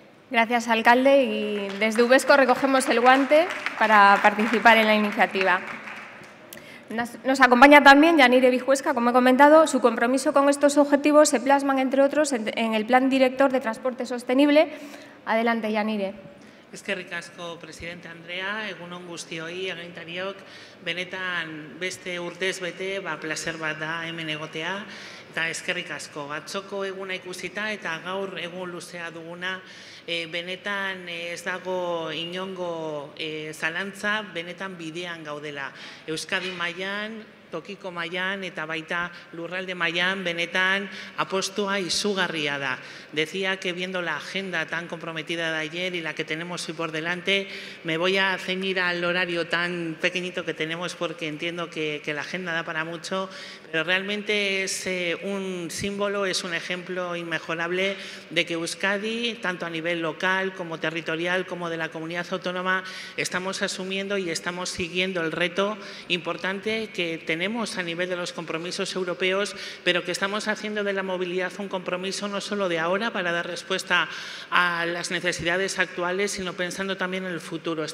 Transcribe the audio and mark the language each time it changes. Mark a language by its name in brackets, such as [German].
[Spanish] Gracias, alcalde, y desde Uvesco recogemos el guante para participar en la iniciativa. Nos acompaña también Yanire Vijuesca. Como he comentado, su compromiso con estos objetivos se plasman, entre otros, en el Plan Director de Transporte Sostenible. Adelante, Yanire. [Basque] Eskerrik asko, presidente Andrea, egunon guztioi, agintariok, benetan beste urtez bete, plazer bat da hemen egotea, eta eskerrik asko, atzoko eguna ikusita eta gaur egun luzea duguna, benetan ez dago inongo zalantza, benetan bidean gaudela, Euskadi mailan, tokiko mailan eta baita lurralde mailan benetan apostua izugarria da. [Spanish] Decía que viendo la agenda tan comprometida de ayer y la que tenemos hoy por delante, me voy a ceñir al horario tan pequeñito que tenemos porque entiendo que la agenda da para mucho, pero realmente es un símbolo, es un ejemplo inmejorable de que Euskadi, tanto a nivel local como territorial, como de la comunidad autónoma, estamos asumiendo y estamos siguiendo el reto importante que tenemos a nivel de los compromisos europeos, pero que estamos haciendo de la movilidad un compromiso no solo de ahora para dar respuesta a las necesidades actuales, sino pensando también en el futuro.